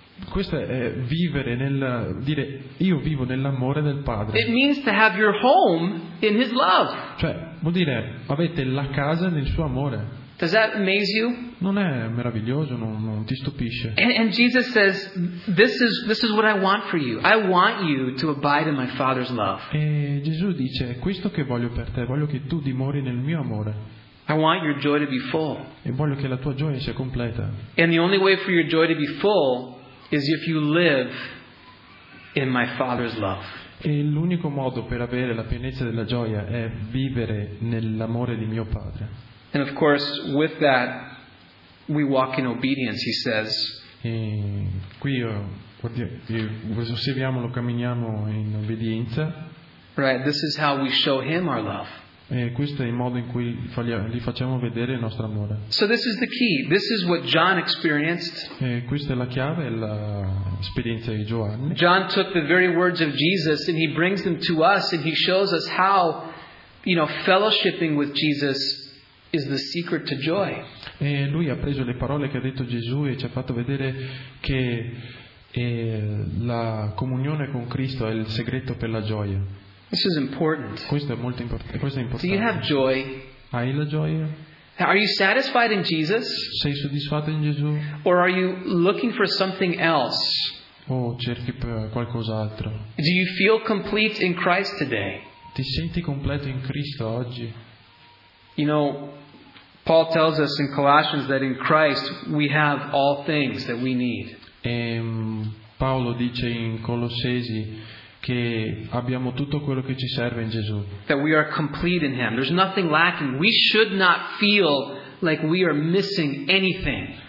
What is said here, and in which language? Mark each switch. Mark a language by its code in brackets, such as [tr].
[it] Questo è vivere nel dire io vivo nell'amore del Padre. [en] It means to have your home in his love. [it] Cioè, vuol dire avete la casa nel suo amore. [en] Does that amaze you? [it] Non è meraviglioso, non ti stupisce. [en] And Jesus says, this is what I want for you. I want you to abide in my Father's love. [it] E Gesù dice, questo che voglio per te, voglio che tu dimori nel mio amore. [en] I want your joy to be full. [it] E voglio che la tua gioia sia completa. [en] And the only way for your joy to be full is if you live in my Father's love. [it] E l'unico modo per avere la pienezza della gioia è vivere nell'amore di mio Padre. [en] And of course, with that, we walk in obedience, he says. [it] E qui osserviamo, lo camminiamo in obbedienza. [en] Right, this is how we show him our love. [it] E questo è il modo in cui gli facciamo vedere il nostro amore. [en] So this is the key. This is what John experienced. [it] E questa è la chiave, l'esperienza di Giovanni. [en] John took the very words of Jesus and he brings them to us and he shows us how, you know, fellowshipping with Jesus is the secret to joy. [it] E lui ha preso le parole che ha detto Gesù e ci ha fatto vedere che la comunione con Cristo è il segreto per la gioia. [en] This is important. [it] Questo è molto importante. Questo è importante. [en] Do you have joy? [it] Hai la gioia? [en] Are you satisfied in Jesus? [it] Sei soddisfatto in Gesù? [en] Or are you looking for something else? [it] o cerchi qualcos'altro? [en] Do you feel complete in Christ today? [it] Ti senti completo in Cristo oggi? [en] You know, Paul tells us in Colossians that in Christ we have all things that we need. [it] Paolo dice in Colossesi che abbiamo tutto quello che ci serve in Gesù. [en] That we are complete in Him. There's nothing lacking. We should not feel like we are missing anything.